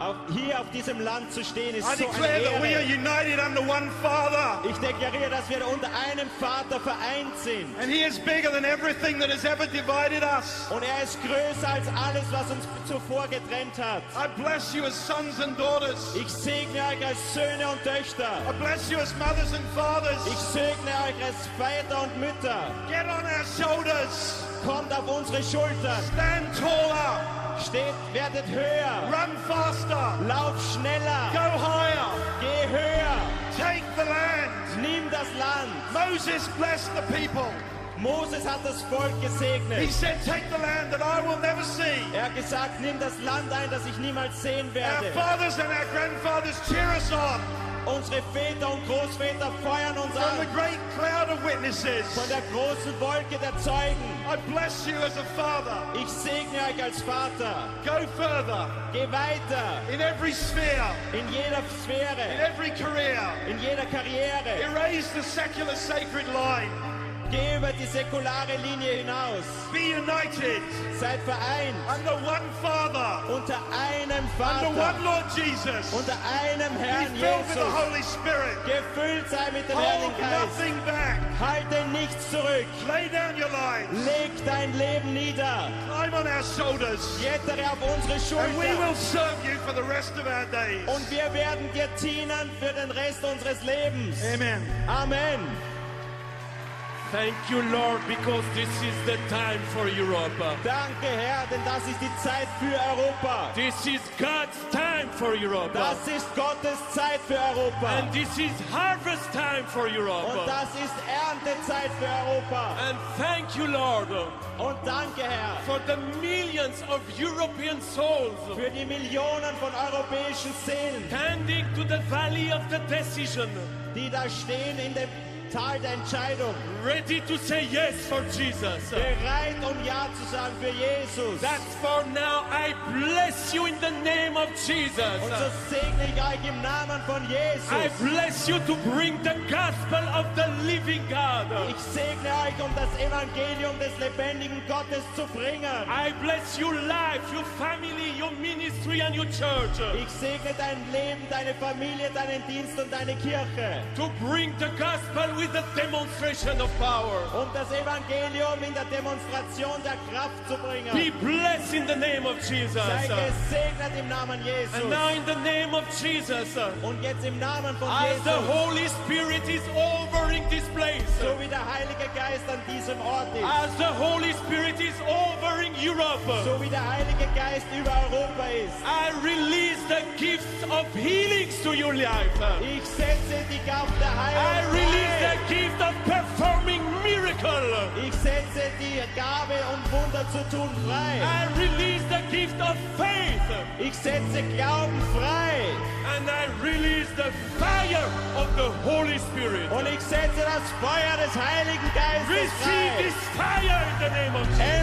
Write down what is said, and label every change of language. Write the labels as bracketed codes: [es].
[de] Hier auf diesem Land zu stehen ist so eine Ehre. [en] I declare that we are united under one Father. [de] Ich deklariere, dass wir unter einem Vater vereint sind. [en] And He is bigger than everything that has ever divided us. [de] Und ist größer als alles, was uns zuvor getrennt hat. [en] I bless you as sons and daughters. [de] Ich segne euch als Söhne und Töchter. [en] I bless you as mothers and fathers. [de] Ich segne euch als Väter und Mütter. [en] Get on our shoulders. [de] Kommt auf unsere Schultern. [en] Stand taller. [de] Steht, werdet höher. [en] Run faster. [de] Lauf schneller. [en] Go higher. [de] Geh höher. [en] Take the land. [de] Nimm das Land. [en] Moses blessed the people. [de] Moses hat das Volk gesegnet. [en] He said, take the land that I will never see. [de] Hat gesagt, nimm das Land ein, das ich niemals sehen werde. [en] Our fathers and our grandfathers cheer us on. [de] Unsere Väter und Großväter feuern uns [en] From [de] an. [en] The great cloud of witnesses. [de] Von der großen Wolke der Zeugen. [en] I bless you as a father. [de] Ich segne euch als Vater. [en] Go further. [de] Geh weiter. [en] In every sphere. [de] In jeder Sphäre. [en] In every career. [de] In jeder Karriere. [en] Erase the secular sacred line. [de] Geh über die säkulare Linie hinaus. [en] Be united. [de] Seid vereint. [en] Under one Father. [de] Unter einem Vater. [en] Under one Lord Jesus. [de] Unter einem Herrn Jesus. [en] With the Holy Spirit. [de] Gefüllt sei mit dem [en] Hold [de] Heiligen Geist. [en] Nothing back. [de] Halte nichts zurück. [en] Lay down your lives. [de] Leg dein Leben nieder. [en] Climb on our shoulders. [de] Klettere auf unsere Schultern. [en] And we will serve you for the rest of our days. [de] Und wir werden dir dienen für den Rest unseres Lebens. Amen. Amen. [en] Thank you, Lord, because this is the time for Europa. [de] Danke, Herr, denn das ist die Zeit für Europa. [en] This is God's time for Europa. [de] Das ist Gottes Zeit für Europa. [en] And this is harvest time for Europa. [de] Und das ist Erntezeit für Europa. [en] And thank you, Lord. [de] Und danke, Herr, [en] for the millions of European souls. [de] Für die Millionen von europäischen Seelen. [en] Standing to the valley of the decision. [de] Die da stehen in dem Tal der Entscheidung. [en] Ready to say yes for Jesus. [de] Bereit, um ja zu sagen für Jesus. [en] That's for now. I bless you in the name of Jesus. [de] Und so segne ich euch im Namen von Jesus. [en] I bless you to bring the gospel of the living God. [de] Ich segne euch, um das Evangelium des lebendigen Gottes zu bringen. [en] I bless your life, your family, your ministry and your church. [de] Ich segne dein Leben, deine Familie, deinen Dienst und deine Kirche. [en] To bring the gospel with a demonstration of power. [de] Um das Evangelium in der Demonstration der Kraft zu bringen. [en] Be blessed in the name of Jesus. [de] Sei gesegnet im Namen Jesus. [en] And now in the name of Jesus. [de] Und jetzt im Namen von [en] as [de] Jesus. [en] The Holy Spirit is overing this place. [de] So wie der Heilige Geist an diesem Ort ist. [en] As the Holy Spirit is overing Europe. [de] So wie der Heilige Geist über Europa ist. [en] I release the gifts of healings to your life. [de] Ich setze die Gabe der Heilung. [en] I release the gift of performing miracle. [de] Ich setze die Gabe, um Wunder zu tun, frei. [en] I release the gift of faith. [de] Ich setze Glauben frei. [en] And I release the fire of the Holy Spirit. [de] Und ich setze das Feuer des Heiligen Geistes frei. [en] Receive this fire in the name of Jesus.